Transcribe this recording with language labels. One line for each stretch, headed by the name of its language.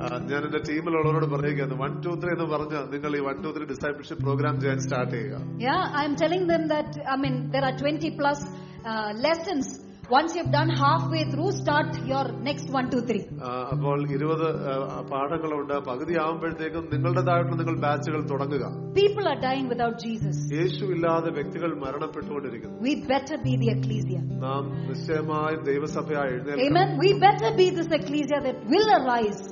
Malayalam: ഞാൻ എന്റെ ടീമിലുള്ളവരോട് പറയുകയാണ് 1-2-3 എന്ന് പറഞ്ഞ നിങ്ങൾ ഈ 1-2-3 ഡിസൈപ്പിൾഷിപ്പ് പ്രോഗ്രാം ചെയ്യാൻ സ്റ്റാർട്ട് ചെയ്യുക.
English: Yeah, I am telling them that there are 20 plus lessons. Once you've done halfway through, start your next 1-2-3.
Malayalam: അപ്പോൾ 20 പാഠങ്ങളുണ്ട്, പകുതി ആവുമ്പോഴത്തേക്കും നിങ്ങളുടേതായിട്ട് നിങ്ങൾ ബാച്ചുകൾ തുടങ്ങുക.
English: People are dying without Jesus.
Malayalam: യേശു ഇല്ലാതെ വ്യക്തികൾ മരണപ്പെട്ടുകൊണ്ടിരിക്കുന്നു.
English: We better be the ecclesia.
Malayalam: നാം നിശ്ചയമായി ദൈവസഭയായി എഴുന്നേൽക്കണം. Amen.
English: We better be this ecclesia that will arise.